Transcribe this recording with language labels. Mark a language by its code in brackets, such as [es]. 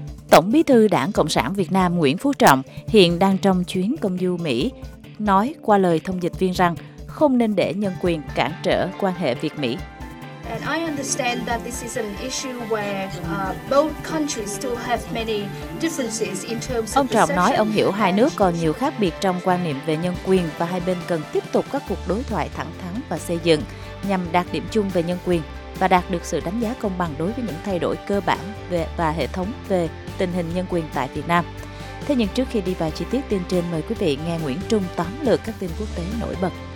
[vi] Tổng Bí thư Đảng Cộng sản Việt Nam Nguyễn Phú Trọng hiện đang trong chuyến công du Mỹ, nói qua lời thông dịch viên rằng không nên để nhân quyền cản trở quan hệ Việt-Mỹ. [en] And I understand that this is an issue where both countries still have many differences in terms of. [vi] Ông Trọng nói ông hiểu hai nước còn nhiều khác biệt trong quan niệm về nhân quyền và hai bên cần tiếp tục các cuộc đối thoại thẳng thắn và xây dựng nhằm đạt điểm chung về nhân quyền và đạt được sự đánh giá công bằng đối với những thay đổi cơ bản về và hệ thống về tình hình nhân quyền tại Việt Nam. Thế nhưng trước khi đi vào chi tiết tin trên, mời quý vị nghe Nguyễn Trung tóm lược các tin quốc tế nổi bật.